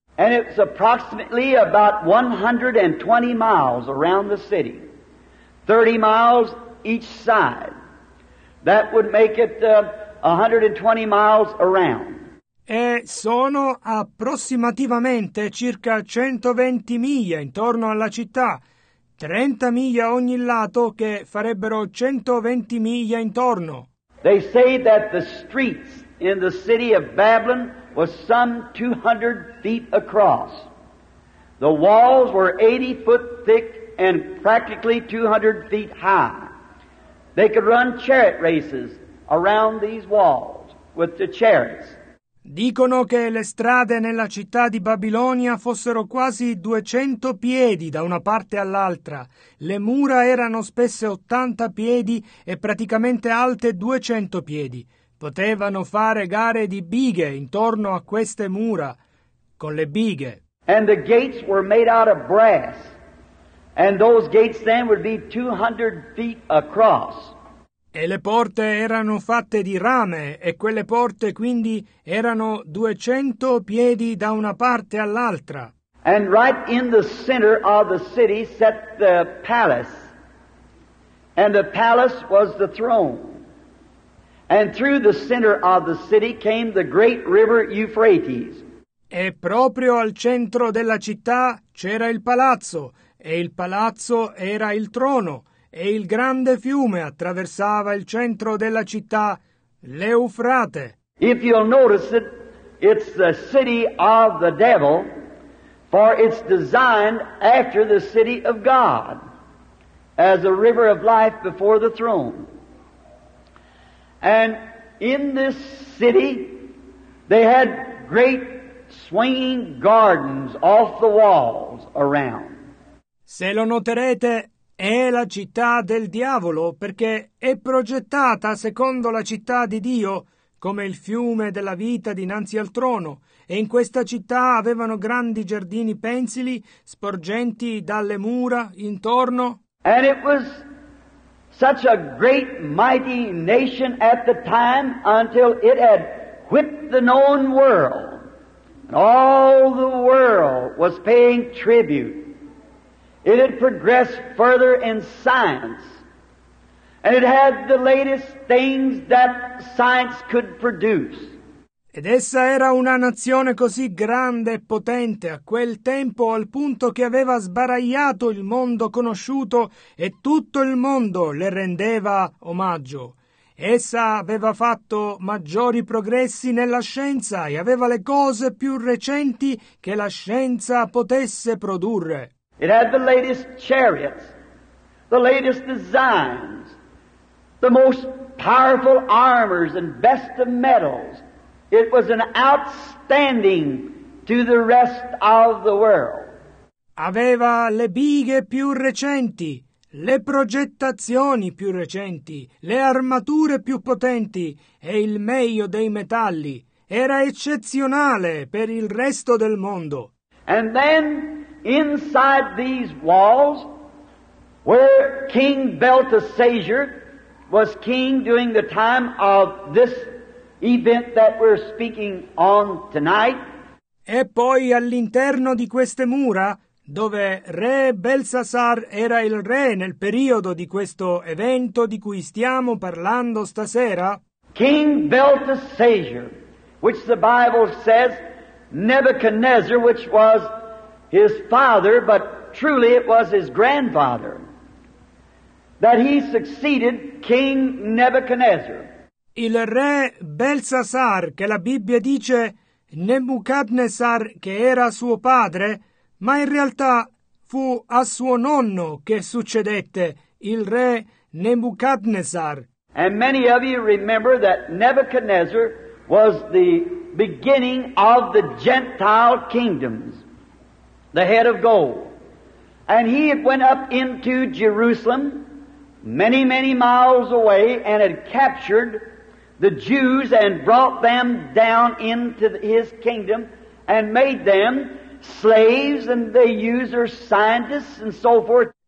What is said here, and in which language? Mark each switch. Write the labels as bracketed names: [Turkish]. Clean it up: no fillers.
[English] And it's approximately about 120 miles around the city, 30 miles each side. That would make it 120 miles around. [Italian] E sono approssimativamente circa 120 miglia intorno alla città, 30 miglia ogni lato che farebbero 120 miglia intorno. [English] They say that the streets in the city of Babylon was some 200 feet across. The walls were 80 foot thick and practically 200 feet high. They could run chariot races around these walls with the chariots. [Italian] Dicono che le strade nella città di Babilonia fossero quasi 200 piedi da una parte all'altra. Le mura erano spesse 80 piedi e praticamente alte 200 piedi. Potevano fare gare di bighe intorno a queste mura, con le bighe. [English] And the gates were made out of brass, and those gates then would be 200 feet across. [Italian] E le porte erano fatte di rame, e quelle porte quindi erano 200 piedi da una parte all'altra. [English] And right in the center of the city sat the palace, and the palace was the throne. And through the center of the city came the great river Euphrates. [Italian] E proprio al centro della città c'era il palazzo, e il palazzo era il trono, e il grande fiume attraversava il centro della città, l'Eufrate. [English] If you'll notice it, it's the city of the devil, for it's designed after the city of God, as a river of life before the throne. And in this city, they had great swinging gardens off the walls around. [Italian] Se lo noterete, è la città del diavolo, perché è progettata secondo la città di Dio, come il fiume della vita dinanzi al trono. E in questa città avevano grandi giardini pensili, sporgenti dalle mura intorno. [English] And it was such a great mighty nation at the time until it had whipped the known world And all the world was paying tribute. It had progressed further in science. And it had the latest things that science could produce. [Italian] Ed essa era una nazione così grande e potente a quel tempo, al punto che aveva sbaragliato il mondo conosciuto e tutto il mondo le rendeva omaggio. Essa aveva fatto maggiori progressi nella scienza e aveva le cose più recenti che la scienza potesse produrre. [English] It had the latest chariots, the latest designs, the most powerful armors and best of metals. It was an outstanding to the rest of the world. [Italian] Aveva le bighe più recenti, le progettazioni più recenti, le armature più potenti e il meglio dei metalli. Era eccezionale per il resto del mondo. [English] And then inside these walls, where King Belteshazzar was king during the time of this event that we're speaking on tonight. [Italian] E poi all'interno di queste mura, dove re Belsasar era il re nel periodo di questo evento di cui stiamo parlando stasera. [English] King Belteshazzar, which the Bible says Nebuchadnezzar, which was his father, but truly it was his grandfather, that he succeeded King Nebuchadnezzar. [Italian] Il re Belsasar, che la Bibbia dice Nebuchadnezzar, che era suo padre, ma in realtà fu a suo nonno che succedette, il re Nebuchadnezzar. [English] And many of you remember that Nebuchadnezzar was the beginning of the Gentile kingdoms, the head of gold. And he had went up into Jerusalem, many, many miles away, and had captured the Jews and brought them down into his kingdom and made them slaves and they used their scientists and so forth.